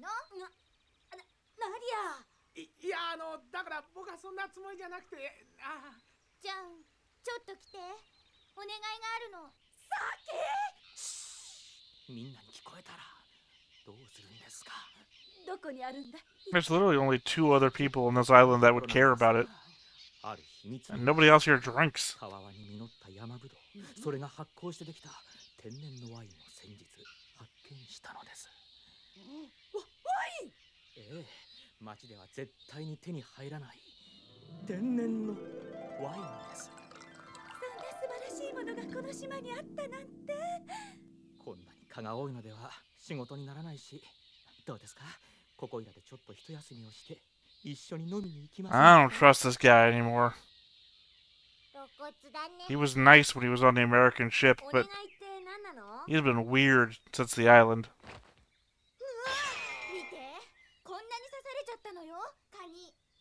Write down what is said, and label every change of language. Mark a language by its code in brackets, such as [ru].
[ja] ナディア。いや、だから僕はそんなつもりじゃなくて。あ、ジャン、ちょっと来て。お願いがあるの。さっき。みんなに聞こえたらどうするんですか。どこにあるんだ。 [en] There's literally only two other people on this island that would care about it. [ja] ある秘密。 [en] And nobody else here drinks. [ja] 川湾に実った山ぶどう。それが発酵してできた天然のワインを先日発見したのです。ワイン。ええ、町では絶対に手に入らない天然のワインです。そんな素晴らしいものがこの島にあったなんて。こんなに蚊が多いのでは仕事にならないし、どうですか？ここいらでちょっと一休みをして一緒に飲みに行きます。 [en] I don't trust this guy anymore. He was nice when he was on the American ship, but he's been weird since the island. [ja] うわ、見て、こんなに刺されちゃったのよ、蚊に。